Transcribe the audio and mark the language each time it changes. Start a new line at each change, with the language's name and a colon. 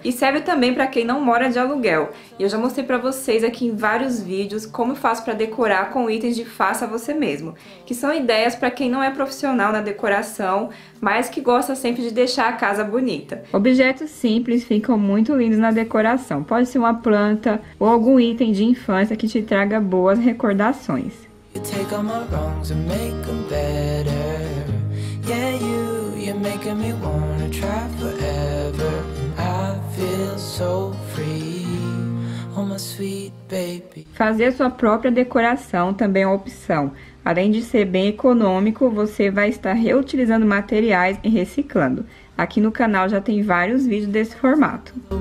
Portuguese: E serve também para quem não mora de aluguel. E eu já mostrei para vocês aqui em vários vídeos como eu faço para decorar com itens de faça você mesmo, que são ideias para quem não é profissional na decoração, mas que gosta sempre de deixar a casa bonita. Objetos simples ficam muito lindos na decoração. Pode ser uma planta ou algum item de infância que te traga boas recordações.
English: Take all my wrongs and make them better. Yeah, you're making me wanna try forever. I feel so free, oh my sweet baby.
Portuguese: Fazer a sua própria decoração também é uma opção. Além de ser bem econômico, você vai estar reutilizando materiais e reciclando. Aqui no canal já tem vários vídeos desse formato.